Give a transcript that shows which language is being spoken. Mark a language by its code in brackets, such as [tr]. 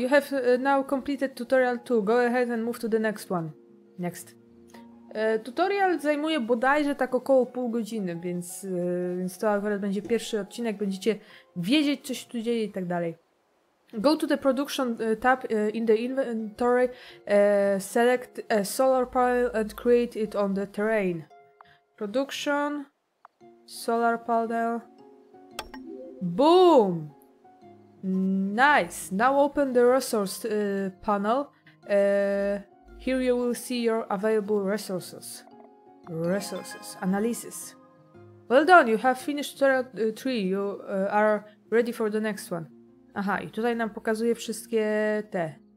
[en] You have now completed tutorial 2. Go ahead and move to the next one. Next. [pl] Tutorial zajmuje bodajże tak około pół godziny, więc to akurat będzie pierwszy odcinek. Będziecie wiedzieć, co się tu dzieje i tak dalej. [en] Go to the production tab in the inventory, select a solar panel and create it on the terrain. Production, solar panel. Boom! Nice! Now open the resource panel Here you will see your available resources. Resources. Analysis. Well done, you have finished three. You are ready for the next one. [pl] Aha, i tutaj nam pokazuje wszystkie te.